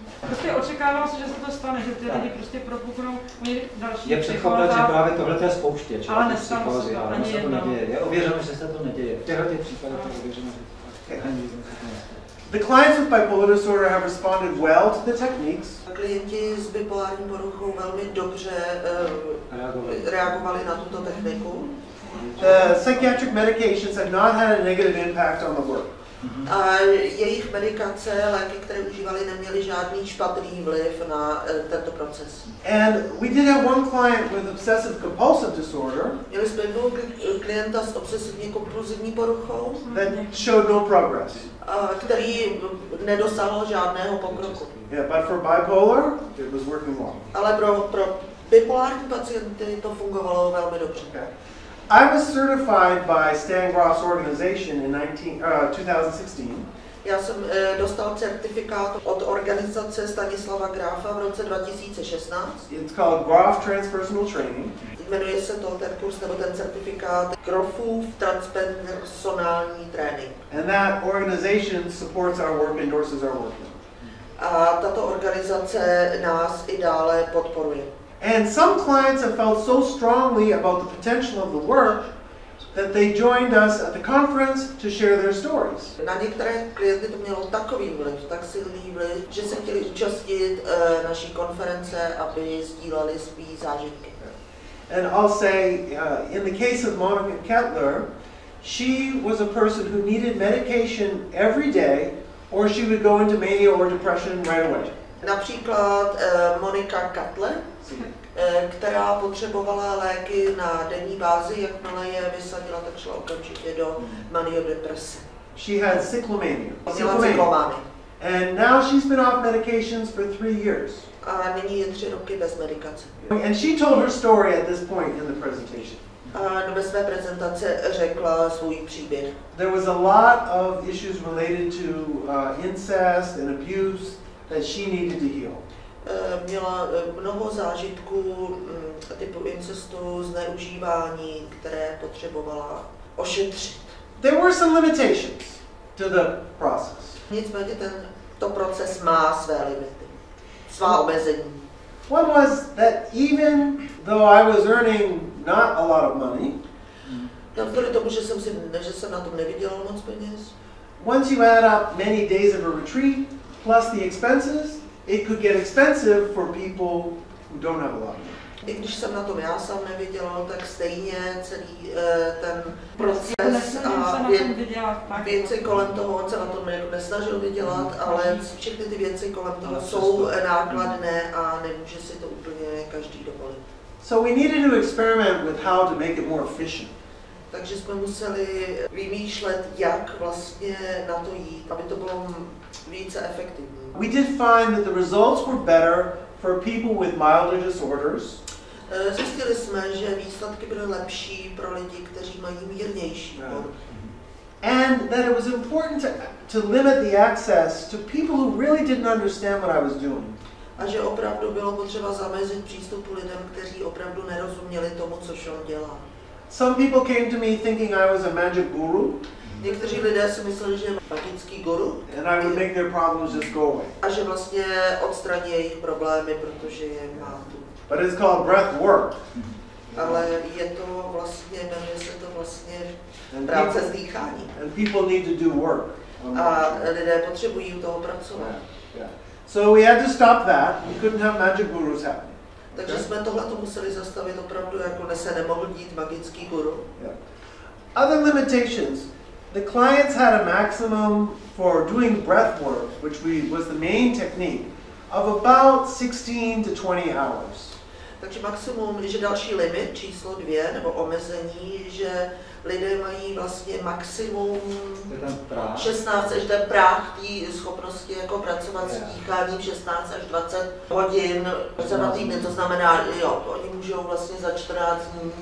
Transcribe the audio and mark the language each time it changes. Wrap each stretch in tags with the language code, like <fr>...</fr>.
<cs>Prostě očekával se, že se to stane, že ty lidi prostě propuknou, oni další je psychóza. Je překvapilo, že právě tohle je spouštěč. Ale nestalo se to ani jedno. Je ověřeno, že se to neděje. V těchto těch případech to ověřeno, že to ani jedno.</cs> <en>The clients with bipolar disorder have responded well to the techniques.</en> <cs>Klienti s bipolární poruchou velmi dobře reagovali na tuto techniku.</cs> <en>The psychiatric medications have not had a negative impact on the work.</en> <cs>A jejich medikace, léky, které užívali, neměly žádný špatný vliv na tento proces.</cs> <en>And we did have one client with obsessive compulsive disorder.</en> <cs>Měli jsme jednu klienta s obsesivní kompulzivní poruchou.</cs> <en>That showed no progress.</en> <cs>Který nedosáhl žádného pokroku.</cs> <en>Yeah, but for bipolar, it was working well.</en> <cs>Ale pro bipolární pacienty to fungovalo velmi dobře.</cs> <en>Okay. I was certified by Stan Grof's organization in 2016.</en> <cs>Já jsem dostal certifikát od organizace Stanislava Grofa v roce 2016.</cs> <en>It's called Grof Transpersonal Training.</en> <cs>Jmenuje se to ten kurz nebo ten certifikát Grofův transpersonální trénink.</cs> <en>And that organization supports our work, endorses our work.</en> <cs>A tato organizace nás i dále podporuje.</cs> <en>And some clients have felt so strongly about the potential of the work that they joined us at the conference to share their stories.</en> <cs>Na některé klienty to mělo takový vliv, tak silný vliv, že se chtěli účastnit naší konference, aby sdíleli své zážitky.</cs> <en>And I'll say, in the case of Monica Kettler, she was a person who needed medication every day, or she would go into mania or depression right away.</en> <cs>Například Monika Kettler, která potřebovala léky na denní bázi, jakmile je vysadila, tak šla okamžitě do maniodeprese.</cs> <en>She had cyclomania.</en> <cs>Měla cyklomány.</cs> <en>And now she's been off medications for 3 years.</en> <cs>A nyní je 3 roky bez medikace.</cs> <en>And she told her story at this point in the presentation.</en> <cs>A do své prezentace řekla svůj příběh.</cs> <en>There was a lot of issues related to incest and abuse that she needed to heal.</en> <cs>Měla mnoho zážitků typu incestu, zneužívání, které potřebovala ošetřit.</cs> <en>There were some limitations to the process.</en> <cs>Nicméně tento proces má své limity, svá omezení.</cs> <en>One was that even though I was earning not a lot of money,</en> <cs>navzdory tomu, že jsem na tom nevydělal moc peněz,</cs> <en>once you add up many days of a retreat plus the expenses, it could get expensive for people who don't have a lot.</en> <cs>I když jsem na tom já sám nevydělal, tak stejně celý ten proces a věci kolem toho, on se na tom nesnažil vydělat, ale všechny ty věci kolem toho jsou nákladné a nemůže si to úplně každý dovolit.</cs> <en>So we needed to experiment with how to make it more efficient.</en> <cs>Takže jsme museli vymýšlet, jak vlastně na to jít, aby to bylo více efektivní.</cs> <en>We did find that the results were better for people with milder disorders.</en> <cs>Zjistili jsme, že výsledky byly lepší pro lidi, kteří mají mírnější poruchy.</cs> <en>And that it was important to limit the access to people who really didn't understand what I was doing.</en> <cs>A že opravdu bylo potřeba zamezit přístupu lidem, kteří opravdu nerozuměli tomu, co šel dělat.</cs> <en>Some people came to me thinking I was a magic guru.</en> <cs>Někteří lidé si mysleli, že je magický guru.</cs> <en>And I would make their problems just go away.</en> <cs>A že vlastně odstraní jejich problémy, protože je má tu.</cs> <en>But it's called breath work.</en> <cs>Ale je to vlastně, jmenuje se to vlastně práce s dýchání.</cs> <en>And people need to do work.</en> <cs>A lidé potřebují u toho pracovat.</cs> <en>So we had to stop that. We couldn't have magic gurus happen.</en> <cs>Takže jsme tohle to museli zastavit opravdu, jako se nemohl dít magický guru.</cs> <en>Other limitations. The clients had a maximum for doing breath work, which was the main technique, of about 16 to 20 hours.</en> <cs>Takže maximum, že další limit, číslo dvě, nebo omezení, že lidé mají vlastně maximum 16 až ten práh tý schopnosti jako pracovat s dýcháním 16 až 20 hodin za týdny, to znamená, jo, oni můžou vlastně za 14 dní.</cs>